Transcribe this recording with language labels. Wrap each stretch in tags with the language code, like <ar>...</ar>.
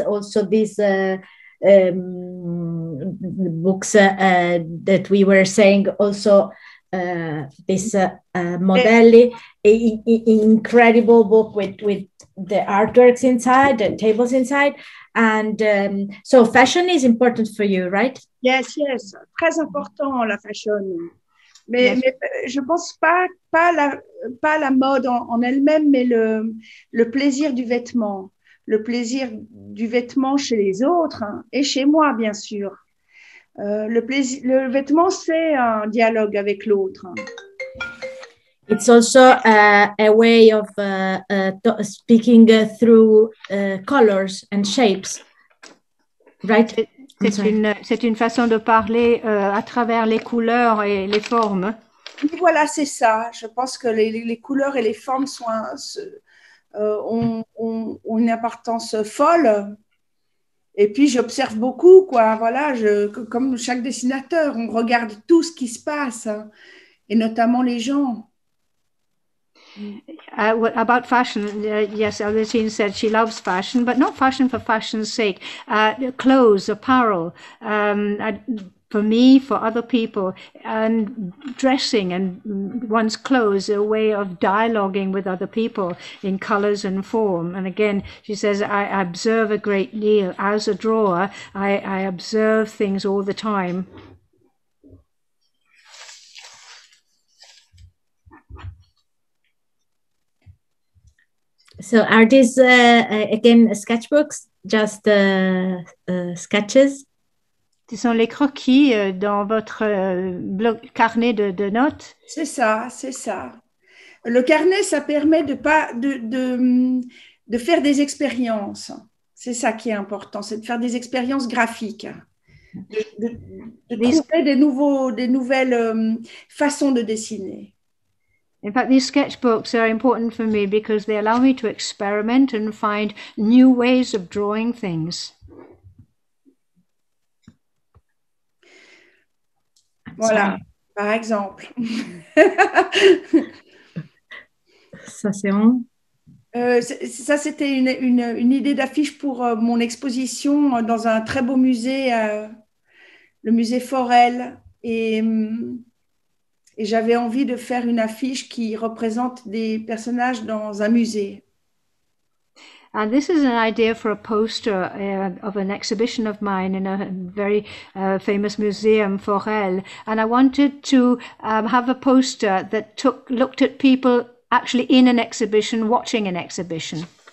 <en>Also, these books that we were saying, also this Modelli, incredible book with the artworks inside, the tables inside. And so fashion is important for you, right? Yes,</en> <fr>très important la fashion. Mais</fr> <en>Yes.</en> <fr>je ne pense pas la mode en elle-même, mais le plaisir du vêtement. Le plaisir du vêtement chez les autres, hein, et chez moi, bien sûr. Le vêtement, c'est un dialogue avec l'autre. Hein.</fr> <en>It's also a way of speaking through colors and shapes, right? I'm sorry.</en> <fr>C'est une façon de parler à travers les couleurs et les formes. Voilà, c'est ça. Je pense que les couleurs et les formes ont une importance folle. Et puis, j'observe beaucoup, quoi. Voilà, comme chaque dessinateur, on regarde tout ce qui se passe, hein, et notamment les gens.</fr> <en>About fashion, yes, Albertine said she loves fashion, but not fashion for fashion's sake. Clothes, apparel, for me, for other people, and dressing and one's clothes, a way of dialoguing with other people in colors and form. And again, she says, I observe a great deal. As a drawer, I observe things all the time. So, are these again sketchbooks, just sketches?</en> <fr>Ce sont les croquis dans votre carnet de notes. C'est ça, c'est ça. Le carnet, ça permet de pas de faire des expériences. C'est ça qui est important, c'est de faire des expériences graphiques, de</fr> <en>These...</en> <fr>trouver des nouvelles façons de dessiner.</fr> <en>In fact, these sketchbooks are important for me because they allow me to experiment and find new ways of drawing things.</en> <fr>Voilà,</fr> <en>Sorry.</en> <fr>par exemple. Ça c'est bon. ça, c'était une idée d'affiche pour mon exposition dans un très beau musée, le musée Forel. Et j'avais envie de faire une affiche qui représente des personnages dans un musée.</fr> <en>And this is an idea for a poster of an exhibition of mine in a very famous museum, Forel. And I wanted to have a poster that looked at people actually in an exhibition, watching an exhibition.</en>